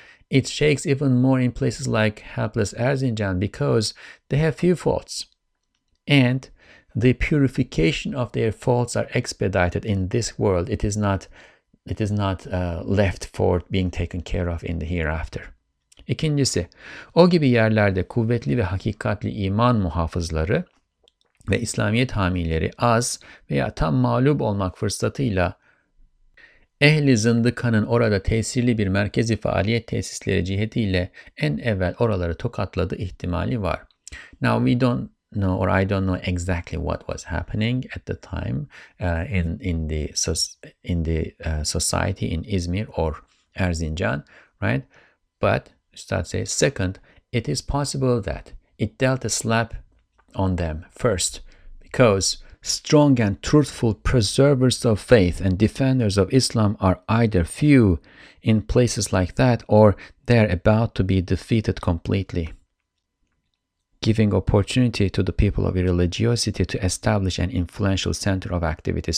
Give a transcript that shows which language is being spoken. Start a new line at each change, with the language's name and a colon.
English: It shakes even more in places like helpless Erzincan because they have few faults, and the purification of their faults are expedited in this world. It is not left for being taken care of in the hereafter.
Turkish: İkincisi, o gibi yerlerde kuvvetli ve hakikatli iman muhafızları ve İslamiyet hamileri az veya tam mağlup olmak fırsatıyla ehli zındıkanın orada tesirli bir merkezi faaliyet tesisleri cihetiyle en evvel oraları tokatladığı ihtimali var.
English: Now we don't know, or I don't know exactly what was happening at the time in the society in İzmir or Erzincan, right? But Üstad says, second, it is possible that it dealt a slap on them first, because strong and truthful preservers of faith and defenders of Islam are either few in places like that, or they're about to be defeated completely, giving opportunity to the people of irreligiosity to establish an influential center of activity.